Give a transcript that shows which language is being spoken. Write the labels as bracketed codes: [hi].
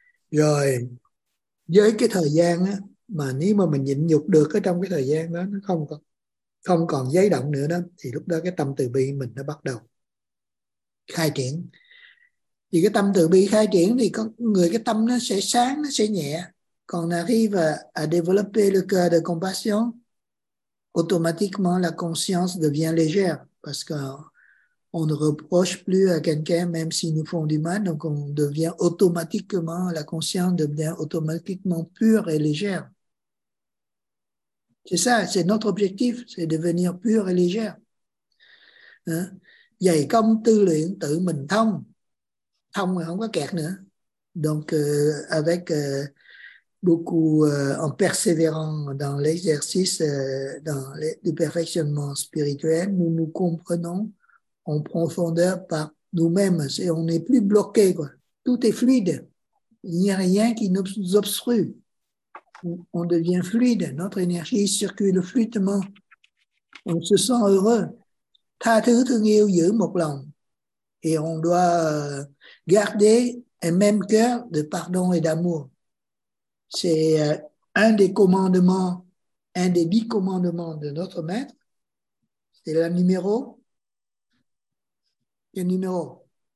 [vi] Rồi với cái thời gian á, mà nếu mà mình nhịn nhục được ở trong cái thời gian đó, nó không còn dấy động nữa đó, thì lúc đó cái tâm từ bi mình nó bắt đầu khai triển. Thì cái tâm từ bi khai triển thì có người cái tâm nó sẽ sáng, nó sẽ nhẹ. [fr] Còn arrive à développer le cœur de compassion, automatiquement la conscience devient légère parce que on ne reproche plus à quelqu'un même s'ils nous font du mal, donc on devient automatiquement, la conscience devient automatiquement pure et légère. C'est ça, c'est notre objectif, c'est devenir pure et légère. Hein? [vi] Dày công tư luyện tự mình thông. Thông là không có kẹt nữa. [fr] Donc avec beaucoup en persévérant dans l'exercice du perfectionnement spirituel, nous nous comprenons en profondeur par nous-mêmes. Et on n'est plus bloqué, quoi. Tout est fluide. Il n'y a rien qui nous obstrue. On devient fluide. Notre énergie circule fluidement. On se sent heureux. [vi] Tha thứ thương yêu giữ một lòng. [fr] Et on doit garder un même cœur de pardon et d'amour. C'est un des commandements, un des 10 commandements de notre maître. C'est le numéro. Quel numéro?